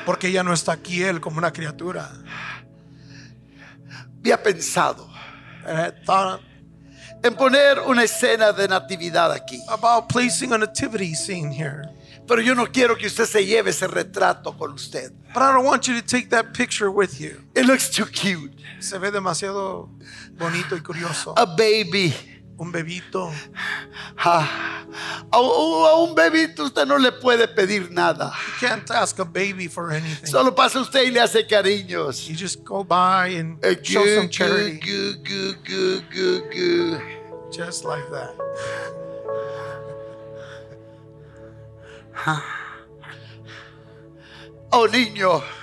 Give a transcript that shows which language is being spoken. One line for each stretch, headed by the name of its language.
Spanish: Porque ya no está aquí él como una criatura. Había pensado
English: thought,
Spanish: en poner una escena de natividad aquí.
English: About placing a nativity scene here.
Spanish: Pero yo no quiero que usted se lleve ese retrato con usted.
English: But I don't want you to take that picture with you. It looks too cute.
Spanish: Se ve demasiado bonito y curioso.
English: A baby.
Spanish: Un bebito. A un bebito usted no le puede pedir nada.
English: You can't ask a baby for anything.
Spanish: Solo pasa usted y le hace cariños.
English: You just go by and show some charity. Goo, goo, goo, goo, goo. Just like that.
Spanish: Oh, niño.